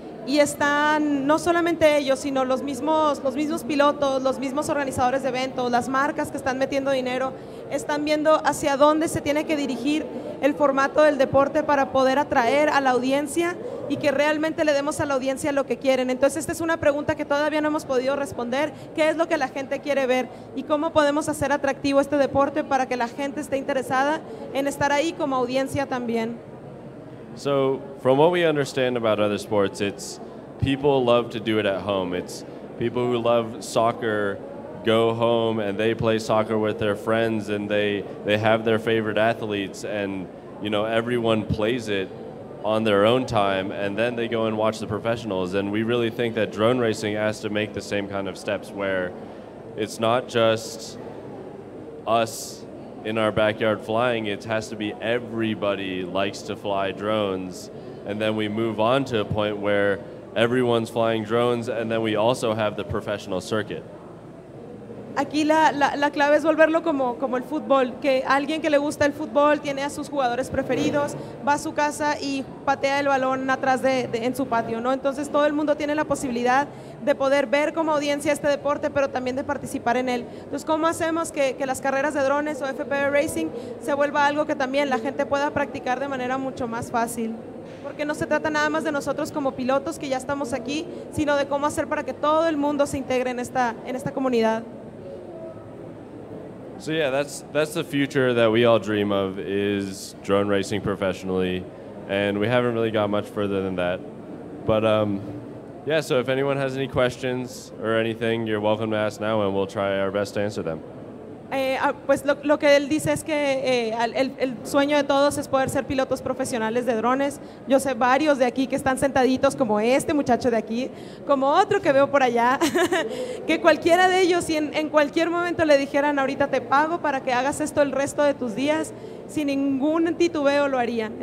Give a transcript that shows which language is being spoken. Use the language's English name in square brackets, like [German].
[Spanish] Y están no solamente ellos, sino los mismos pilotos, los mismos organizadores de eventos, las marcas que están metiendo dinero, están viendo hacia dónde se tiene que dirigir el formato del deporte para poder atraer a la audiencia y que realmente le demos a la audiencia lo que quieren. Entonces, esta es una pregunta que todavía no hemos podido responder. ¿Qué es lo que la gente quiere ver? ¿Y cómo podemos hacer atractivo este deporte para que la gente esté interesada en estar ahí como audiencia también? [English] So, from what we understand about other sports, it's people love to do it at home. It's people who love soccer go home and they play soccer with their friends and they have their favorite athletes and, you know, everyone plays it on their own time and then they go and watch the professionals. And we really think that drone racing has to make the same kind of steps where it's not just us in our backyard flying, it has to be everybody likes to fly drones. And then we move on to a point where everyone's flying drones and then we also have the professional circuit. [Spanish] Aquí la clave es volverlo como el fútbol, que alguien que le gusta el fútbol tiene a sus jugadores preferidos, va a su casa y patea el balón atrás de en su patio, ¿no? Entonces todo el mundo tiene la posibilidad de poder ver como audiencia este deporte, pero también de participar en él. Entonces, ¿cómo hacemos que las carreras de drones o FPV Racing se vuelva algo que también la gente pueda practicar de manera mucho más fácil? Porque no se trata nada más de nosotros como pilotos que ya estamos aquí, sino de cómo hacer para que todo el mundo se integre en esta comunidad. [English] So yeah, that's the future that we all dream of, is drone racing professionally. And we haven't really got much further than that. But yeah, so if anyone has any questions or anything, you're welcome to ask now and we'll try our best to answer them. [Spanish] Pues lo que él dice es que el sueño de todos es poder ser pilotos profesionales de drones. Yo sé varios de aquí que están sentaditos, como este muchacho de aquí, como otro que veo por allá, que cualquiera de ellos, si en cualquier momento le dijeran ahorita te pago para que hagas esto el resto de tus días, sin ningún titubeo lo harían.